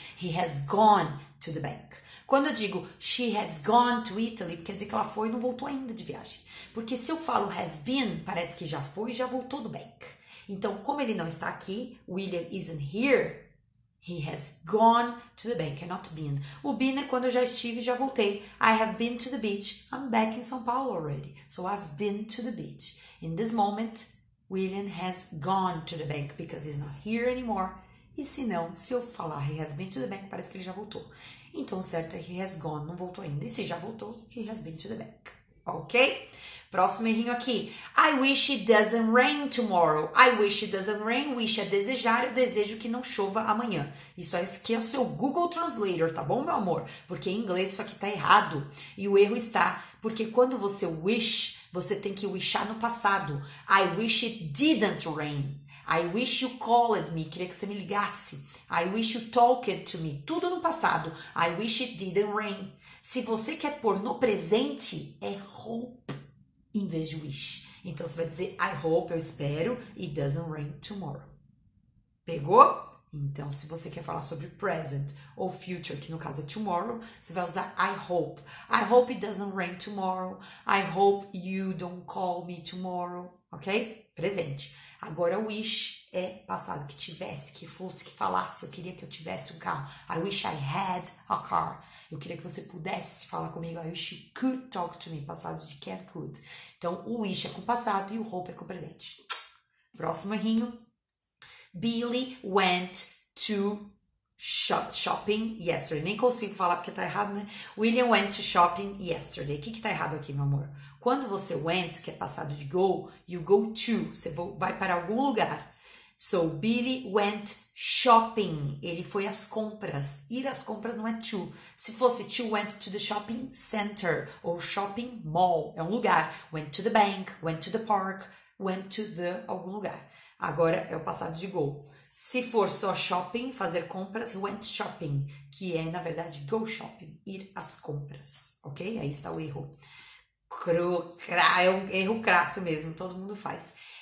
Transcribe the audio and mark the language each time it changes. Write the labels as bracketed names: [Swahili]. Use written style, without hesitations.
[English] He has gone to the bank. [Portuguese] Quando eu digo [English] she has gone to Italy, [Portuguese] quer dizer que ela foi e não voltou ainda de viagem. Porque se eu falo has been, parece que já foi e já voltou do bank. Então, como ele não está aqui, [English] William isn't here, he has gone to the bank, not been. [Portuguese] O been é quando eu já estive e já voltei. [English] I have been to the beach. I'm back in São Paulo already. So, I've been to the beach. In this moment, William has gone to the bank because he's not here anymore. [Portuguese] E se não, se eu falar [English] he has been to the bank, [Portuguese] parece que ele já voltou. Então, certo é [English] he has gone, [Portuguese] não voltou ainda. E se já voltou, [English] he has been to the bank. [Portuguese] Ok? Próximo errinho aqui. [English] I wish it doesn't rain tomorrow. I wish it doesn't rain. [Portuguese] Wish é desejar. Eu desejo que não chova amanhã. Isso é que é o seu Google Translator, tá bom, meu amor? Porque em inglês isso aqui tá errado. E o erro está. Porque quando você wish, você tem que wishar no passado. [English] I wish it didn't rain. I wish you called me. [Portuguese] Queria que você me ligasse. [English] I wish you talked to me. [Portuguese] Tudo no passado. [English] I wish it didn't rain. [Portuguese] Se você quer pôr no presente, é hope em vez de wish. Então, você vai dizer, I hope, eu espero, [English] it doesn't rain tomorrow. [Portuguese] Pegou? Então, se você quer falar sobre present ou future, que no caso é tomorrow, você vai usar I hope. [English] I hope it doesn't rain tomorrow. I hope you don't call me tomorrow. [Portuguese] Ok? Presente. Agora, wish é passado, que tivesse, que fosse, que falasse. Eu queria que eu tivesse um carro. [English] I wish I had a car. [Portuguese] Eu queria que você pudesse falar comigo. [English] I wish you could talk to me. [Portuguese] Passado de can't could. Então, o wish é com o passado e o hope é com o presente. Próximo errinho. [English] Billy went to shopping yesterday. [Portuguese] Nem consigo falar porque tá errado, né? [English] William went to shopping yesterday. [Portuguese] O que que tá errado aqui, meu amor? Quando você went, que é passado de go, you go to. Você vai para algum lugar. [English] So, Billy went shopping. [Portuguese] Ele foi às compras. Ir às compras não é to. Se fosse [English] to went to the shopping center [Portuguese] ou shopping mall, é um lugar. [English] Went to the bank, went to the park, went to the algum lugar. [Portuguese] Agora é o passado de go. Se for só shopping, fazer compras, [English] he went shopping, [Portuguese] que é, na verdade, go shopping, ir às compras. Ok? Aí está o erro. É um erro crasso mesmo, todo mundo faz.